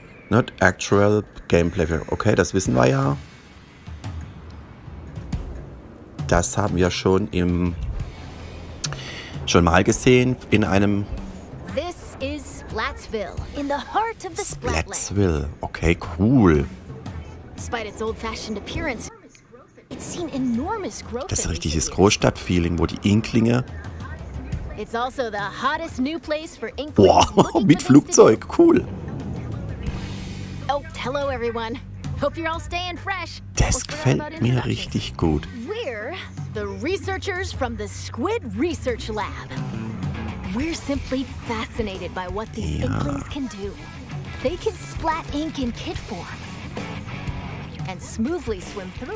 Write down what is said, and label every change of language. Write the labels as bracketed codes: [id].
[en] Not actual gameplay. [de] Okay, das wissen wir ja. Das haben wir schon im schon mal gesehen in einem [en] This is Splatsville, in the heart of the Splatsville. Okay, cool. Despite its old-fashioned appearance, it's seen enormous growth. [de] Das richtige Großstadtfeeling, wo die Inklinge. [en] It's also the hottest new place for [de] Inklings. Mit Flugzeug, cool. [en] Oh, hello everyone. Hope you're all staying fresh. [de] Das gefällt mir richtig gut. [en] We're the researchers from the Squid Research Lab. We're simply fascinated by what these inklings can do. They can splat ink in kit form and smoothly swim through.